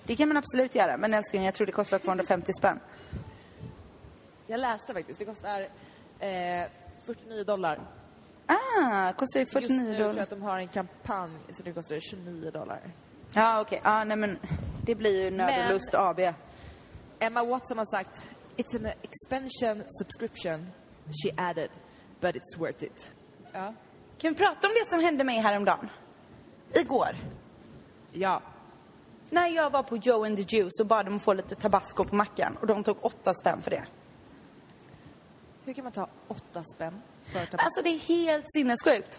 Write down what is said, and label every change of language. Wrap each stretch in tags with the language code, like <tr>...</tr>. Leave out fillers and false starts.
<sv>Det kan man absolut göra. Men älskling, jag tror det kostar 250 spänn. Jag läste faktiskt. Det kostar 49 dollar. Ah, kostar det 49 dollar? Just nu tror jag att de har en kampanj så det kostar 29 dollar. Ja, ah, okej. Okay. Ah, nej, men det blir ju Nöd och Lust AB.</sv> <en>Emma Watson</en> <sv>har sagt,</sv> <en>it's an expansion subscription, she added, but it's worth it.</en> <sv>Ja. Kan vi prata om det som hände mig häromdagen? Igår. Ja. När jag var på Joe and the Juice och bad dem få lite tabasco på mackan. Och de tog 8 spänn för det. Hur kan man ta 8 spänn? Alltså det är helt sinnessjukt.</sv>